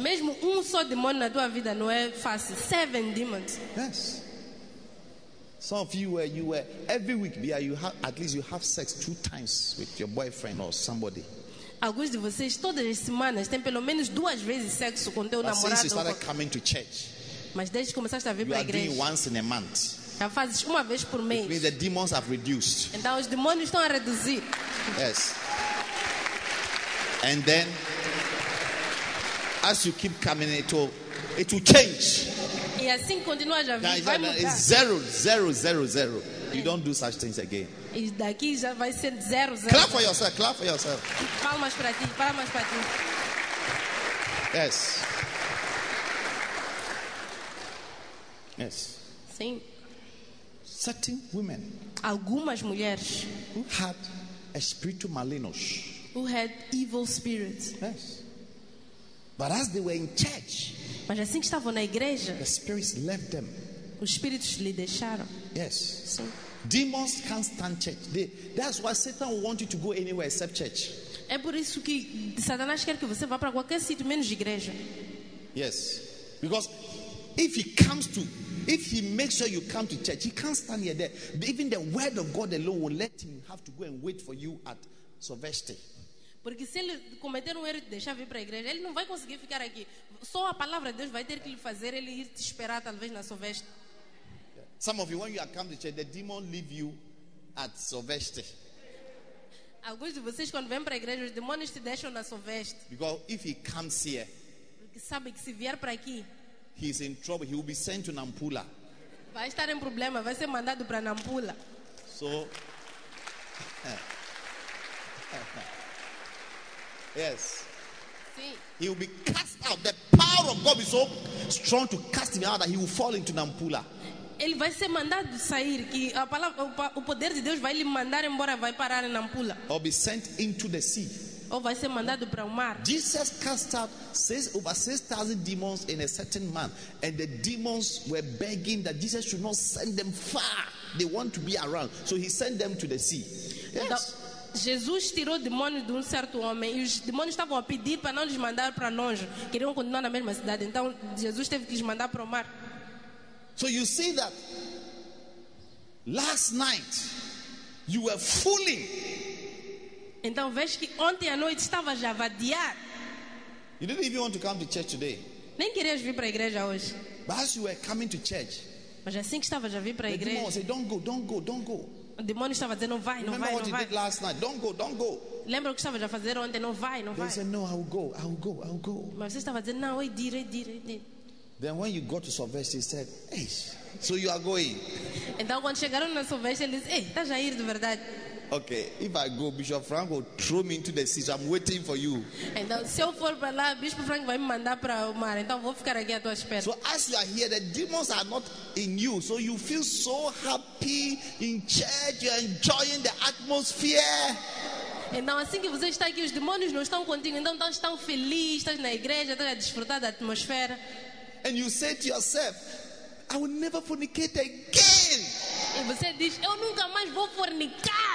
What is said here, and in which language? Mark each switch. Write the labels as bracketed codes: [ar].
[pt] Mesmo só demônio na tua vida não é fácil. [en] Seven demons. Yes. Some of you where you were every week, yeah, you have at least you have sex two times with your boyfriend or somebody. [pt] Alguns de vocês todas as semanas têm pelo menos duas vezes sexo com teu namorado. [en] Since you started coming to church, [pt] mas desde que começaste a vir para a igreja, [en] you are doing once in a month. [pt] Já fazes uma vez por mês. [en] It means the demons have reduced. [pt] Então os demônios estão a reduzir. [en] Yes. And then, as you keep coming, it will change. [pt] E assim continua já vir. Vai mudar. [en] It's zero, zero, zero, zero. You don't do such things again. [pt] E daqui já vai ser zero, zero. [en] Clap for yourself. Clap for yourself. [pt] Palmas para ti. Palmas para ti. [en] Yes. Yes. [pt] Sim. [en] Certain women. [pt] Algumas mulheres. [en] Who had a spiritual malignus. Who had evil spirits. Yes. But as they were in church. [pt] Mas assim que estavam na igreja. [en] The spirits left them. [pt] Os espíritos lhe deixaram. [en] Yes. [pt] Sim. [en] Demons can't stand church. That's why Satan wants you to go anywhere except church. [pt] É por isso que Satanás quer que você vá para qualquer sítio menos igreja. [en] Yes. Because if he comes to, if he makes sure you come to church, he can't stand here. There. Even the word of God alone will let him have to go and wait for you at Sovesti. [pt] Porque se ele cometer um erro e deixar vir para a igreja, ele não vai conseguir ficar aqui. Só a palavra de Deus vai ter que lhe fazer ele ir te esperar talvez na Sovesti. [en] Some of you, when you are coming to church, the demon leave you at Sovesti. [pt] Alguns de vocês quando vêm para a igreja, os demônios te deixam na Sovesti. [en] Because if he comes here, [pt] porque sabe que se vier para aqui, [en] he's in trouble. He will be sent to Nampula. [pt] Vai estar em problema. Vai ser mandado para Nampula. [en] So, yes. [pt] Sim. [en] He will be cast out. The power of God is so strong to cast him out that he will fall into Nampula. [pt] Ele vai ser mandado sair, que a palavra, o poder de Deus vai lhe mandar embora, vai parar em Nampula. [en] Or be sent into the sea. [pt] Ou vai ser mandado para o mar. [en] Jesus cast out over 6,000 demons in a certain man, and the demons were begging that Jesus should not send them far. They want to be around, so he sent them to the sea. Yes. [pt] Então, Jesus tirou demônios de um certo homem, e os demônios estavam a pedir para não lhes mandar para longe. Queriam continuar na mesma cidade, então Jesus teve que lhes mandar para o mar. [en] So you see that last night you were fooling. [pt] Então vês que ontem à noite estava já vadiar. [en] You didn't even want to come to church today. [pt] Nem querias vir para a igreja hoje. [en] But as you were coming to church. [pt] Mas assim que estava já vir para a igreja. [en] Demon said, don't go, don't go, don't go. [pt] O demônio estava dizendo, não vai, não [en] remember [pt] vai, não vai. [en] Did last night. Don't go, don't go. [pt] Lembra o que estava já fazer ontem, não vai, não [en] they [pt] vai. [en] They said, no, I will go, I will go, I will go. [pt] Mas você estava dizendo, não, eu irei. [en] Then when you got to Sovesti, he said, hey, so you are going. [pt] Então quando chegaram na Sovesti, ele disse, ei, está já ir de verdade. [en] Okay, if I go, Bishop Frank will throw me into the sea. So I'm waiting for you. [pt] Então se eu for para lá, Bispo Frank vai me mandar para o mar. Então vou ficar aqui à tua espera. [en] So as you are here, the demons are not in you. So you feel so happy in church. You're enjoying the atmosphere. [pt] Então assim que você está aqui, os demônios não estão contigo. Então estás tão feliz, estás na igreja, estás a desfrutar da atmosfera. [en] And you say to yourself, I will never fornicate again. [pt] E você diz, eu nunca mais vou fornicar.